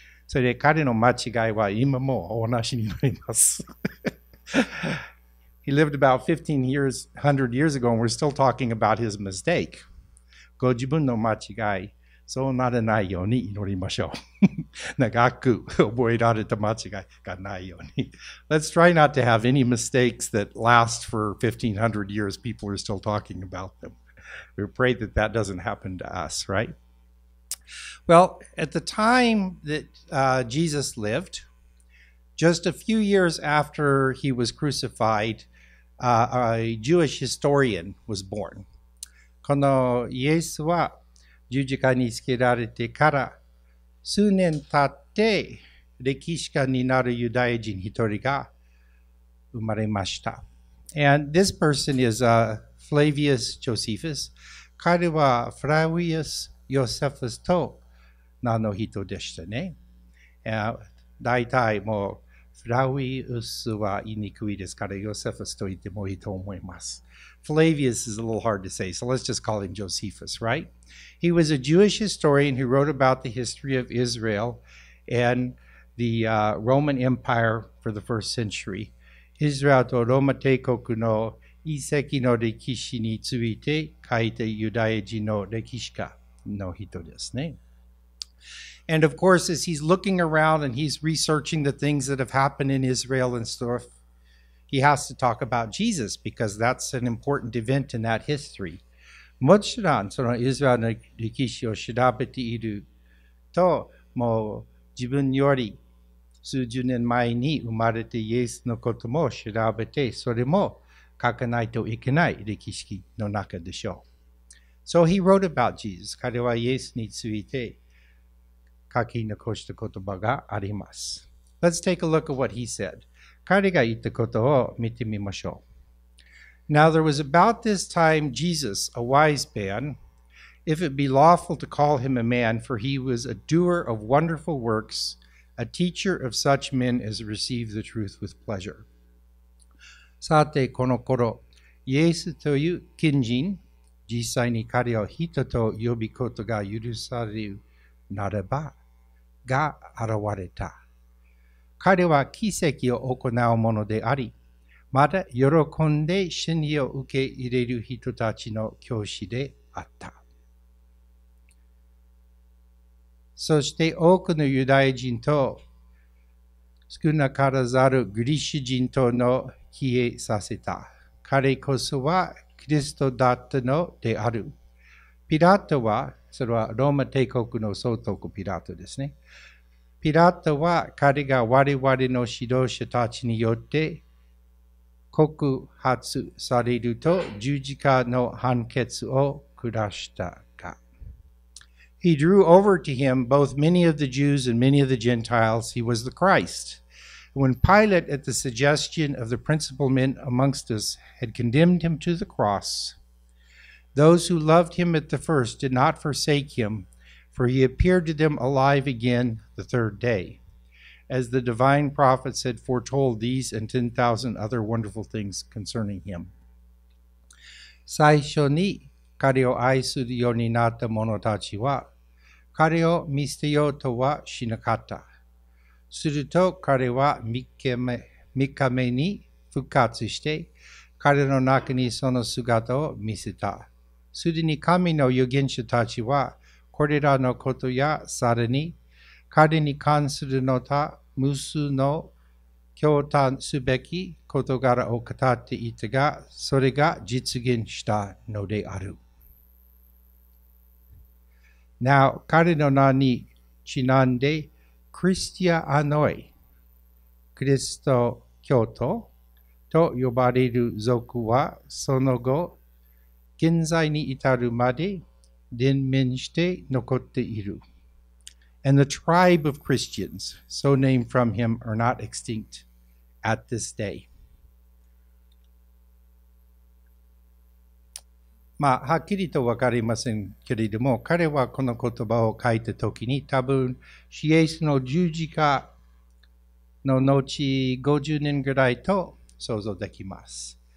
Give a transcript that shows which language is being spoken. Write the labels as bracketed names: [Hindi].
[Japanese] それで彼の間違いは今も同じになります。 [English] He lived about 1500 years ago and we're still talking about his mistake. [Japanese] ご自分の間違い、そうならないように祈りましょう。長く覚えられた間違いがないように。 [English] Let's try not to have any mistakes that last for 1500 years. People are still talking about them. We pray that that doesn't happen to us, right? Well, at the time that Jesus lived, just a few years after he was crucified, a Jewish historian was born. [Japanese] このイエスは十字架につけられてから数年経って歴史家になるユダヤ人一人が生まれました。 [English] And this person is Flavius Josephus. [Japanese] 彼はフラウィアス・ヨセフスと名の人でしたね。大体もうフラウィアスは言いにくいですからヨセフスと言ってもいいと思います。 [English] Flavius is a little hard to say, so let's just call him Josephus, right? He was a Jewish historian who wrote about the history of Israel and the Roman Empire for the first century. [Japanese] Israel とローマ帝国の遺跡の歴史について書いたユダヤ人の歴史家の人ですね。 [English] And of course, as he's looking around and he's researching the things that have happened in Israel and stuff,He has to talk about Jesus because that's an important event in that history. [Japanese] もちろん、そのイスラエルの歴史を調べていると、もう自分より数十年前に生まれてイエスのことも調べて、それも書かないといけない歴史の中でしょう。 [English] So he wrote about Jesus. [Japanese] 彼はイエスについて書き残した言葉があります。 [English] Let's take a look at what he said. [Japanese] 彼が言ったことを見てみましょう。 [English] Now there was about this time Jesus, a wise man, if it be lawful to call him a man, for he was a doer of wonderful works, a teacher of such men as receive the truth with pleasure. [Japanese] さて、この頃、イエスという賢人、実際に彼を人と呼ぶことが許されるならば、が現れた。彼は奇跡を行うものであり、また喜んで真理を受け入れる人たちの教師であった。そして多くのユダヤ人と少なからざるギリシャ人との消えさせた。彼こそはキリストだったのである。ピラトは、それはローマ帝国の総督ピラトですね。ピラトは彼が我々の指導者たちによって告発されると十字架の判決を下したが。 [English] He drew over to him both many of the Jews and many of the Gentiles. He was the Christ. When Pilate, at the suggestion of the principal men amongst us, had condemned him to the cross, those who loved him at the first did not forsake him. For he appeared to them alive again the third day, as the divine prophets had foretold these and 10,000 other wonderful things concerning him. [Japanese] 最初に彼を愛するようになった者たちは、彼を見捨てようとはしなかった。すると彼は3日目に復活して、彼の中にその姿を見せた。すでに神の預言者たちは、これらのことやさらに彼に関するのた無数の驚嘆すべき事柄を語っていたが、それが実現したのである。なお、彼の名にちなんで、クリスティア・アノイ、クリスト教徒と呼ばれる族は、その後、現在に至るまで、連綿して残っている。 [English] And the tribe of Christians, so named from him, are not extinct at this day. [Japanese] まあ、はっきりとわかりませんけれども、彼はこの言葉を書いたときに、多分、主イエスの十字架の後50年ぐらいと想像できます。